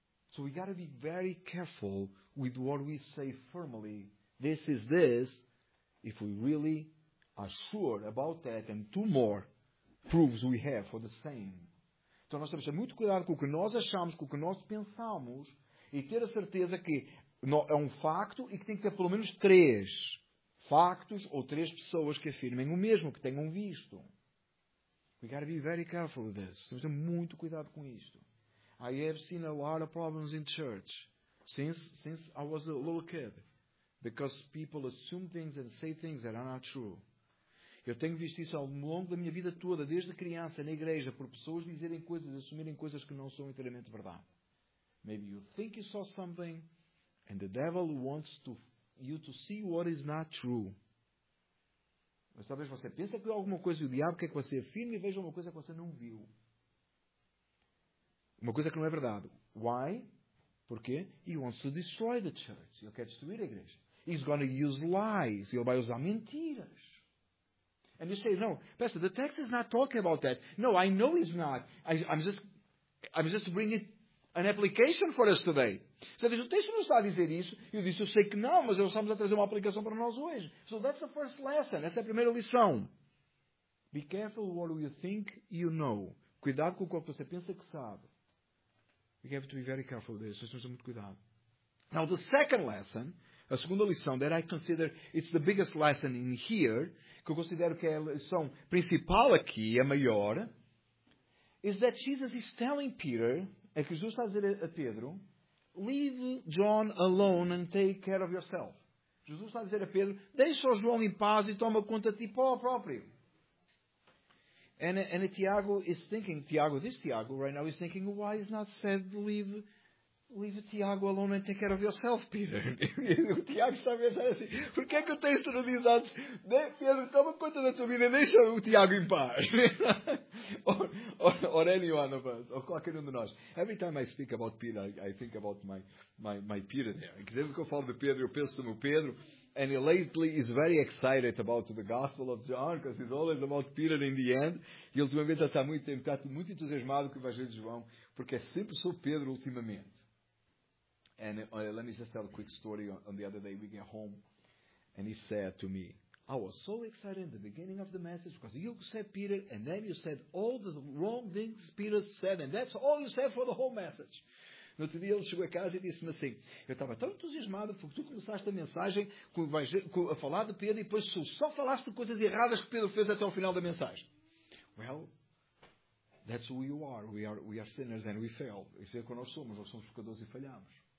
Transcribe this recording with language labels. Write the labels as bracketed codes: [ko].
[en] So we got to be very careful with what we say firmly. This is this. If we really are sure about that, and two more proofs we have for the same. [pt] Então nós temos que ter muito cuidado com o que nós achamos, com o que nós pensamos, e ter a certeza que é um facto e que tem que ter pelo menos três factos ou três pessoas que afirmem o mesmo, que tenham visto. [en] We got to be very careful with this. [pt] Temos que ter muito cuidado com isto. [en] I have seen a lot of problems in church since I was a little kid. Because people assume things and say things that are not true. [pt] Eu tenho visto isso ao longo da minha vida toda, desde criança, na igreja, por pessoas dizerem coisas, assumirem coisas que não são inteiramente verdade. [en] Maybe you think you saw something and the devil wants you to see what is not true. [pt] Mas talvez você pense que alguma coisa e o diabo quer que você afirme e veja uma coisa que você não viu. Uma coisa que não é verdade. [en] Why? [pt] Porquê? [en] He wants to destroy the church. [pt] Ele quer destruir a igreja. [en] He's going to use lies. [pt] Ele vai usar mentiras. [en] And you say, no, Pastor, the text is not talking about that. No, I know it's not. I'm just bringing an application for us today. [pt] Você diz, o texto não está a dizer isso. Eu disse, eu sei que não, mas nós estamos a trazer uma aplicação para nós hoje. [en] So that's the first lesson. [pt] Essa é a primeira lição. [en] Be careful what you think you know. [pt] Cuidado com o que você pensa que sabe. [en] We have to be very careful with this. [pt] Nós temos muito cuidado. [en] Now the second lesson, [pt] a segunda lição, [en] that I consider it's the biggest lesson in here, [pt] que eu considero que é a lição principal aqui, a maior, [en] is that Jesus is telling Peter, [pt] é que Jesus está a dizer a Pedro, [en] leave John alone and take care of yourself. [pt] Jesus está a dizer a Pedro, deixa o João em paz e toma conta de ti próprio. [en] And Tiago is thinking, Tiago, this Tiago right now is thinking, why is not said leave Leave Tiago alone and take care of yourself, Peter. [pt] O Tiago está a pensar assim, porquê que eu tenho esterilizados? Pedro, toma conta da tua vida, deixa o Tiago em paz. [en] or any one of us, or [pt] qualquer um de nós. [en] Every time I speak about Peter, I think about my Peter there. [pt] Sempre que eu falo de Pedro, eu penso no Pedro. [en] And he lately is very excited about the Gospel of John, because he's always about Peter in the end. [pt] E ultimamente ele está muito entusiasmado com o Evangelho de João, porque é sempre sobre Pedro ultimamente. [en] And let me just tell a quick story. On the other day, we came home, and he said to me, I was so excited in the beginning of the message, because you said Peter, and then you said all the wrong things Peter said, and that's all you said for the whole message. [pt] No outro dia ele chegou a casa e disse-me assim, eu estava tão entusiasmado porque tu começaste a mensagem a falar de Pedro e depois só falaste coisas erradas que Pedro fez até ao final da mensagem. [en] Well, that's who you are. We are sinners and we fail. [pt] Isso é o que nós somos pecadores e falhamos.